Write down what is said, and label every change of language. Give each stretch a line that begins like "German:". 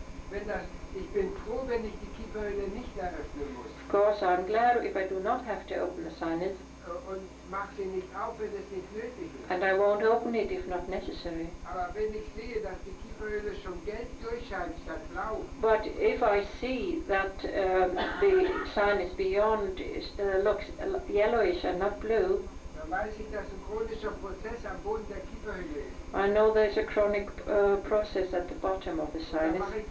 German: Wenn das, ich bin froh, wenn ich die Kieferhöhle nicht eröffnen muss.
English: Of course, I'm glad if I do not have to open the sinus.
German: Und mach sie nicht auf, wenn es nicht nötig ist.
English: And I won't open it if not necessary.
German: Aber wenn ich sehe, dass die Kieferhöhle schon gelb durchscheint statt blau.
English: But if I see that the sinus beyond looks yellowish and not blue.
German: Dann weiß ich, dass ein chronischer Prozess am Boden der Kieferhöhle ist.
English: I know there's a chronic process at the bottom of the sinus.